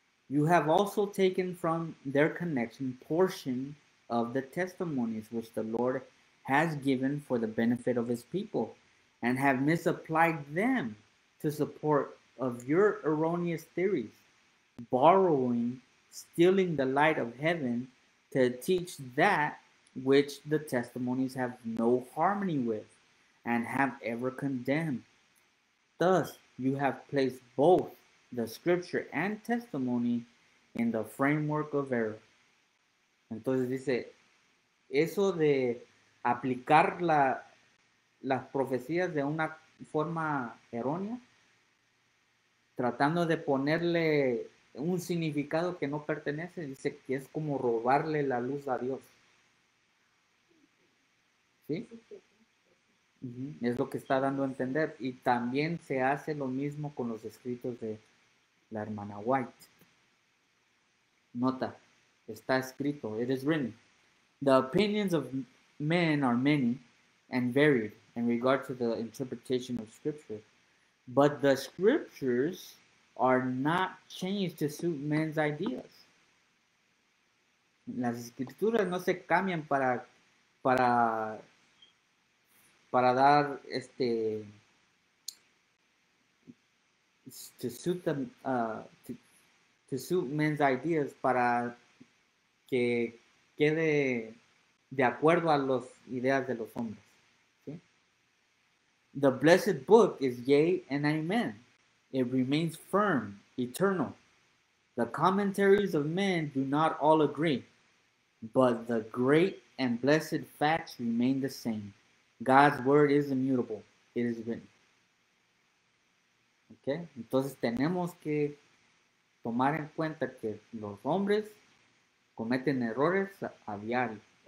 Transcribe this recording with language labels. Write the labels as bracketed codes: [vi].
[en] You have also taken from their connection portion of the testimonies which the Lord has given for the benefit of his people, and have misapplied them to support of your erroneous theories, borrowing, stealing the light of heaven to teach that which the testimonies have no harmony with and have ever condemned. Thus, you have placed both the scripture and testimony in the framework of error. [es] Entonces dice, eso de aplicar las profecías de una forma errónea, tratando de ponerle un significado que no pertenece, dice que es como robarle la luz a Dios. ¿Sí? Es lo que está dando a entender. Y también se hace lo mismo con los escritos de la hermana White. Nota, está escrito, [en] it is written. The opinions of men are many and varied in regard to the interpretation of scripture. But the scriptures are not changed to suit men's ideas. [es] Las escrituras no se cambian para dar este [en] to suit men's ideas, [es] para que quede de acuerdo a las ideas de los hombres. [en] ¿Sí? The blessed book is yea and amen. It remains firm, eternal. The commentaries of men do not all agree, but the great and blessed facts remain the same. God's word is immutable. It is written. Okay? [es] Entonces tenemos que tomar en cuenta que los hombres cometen errores a diario.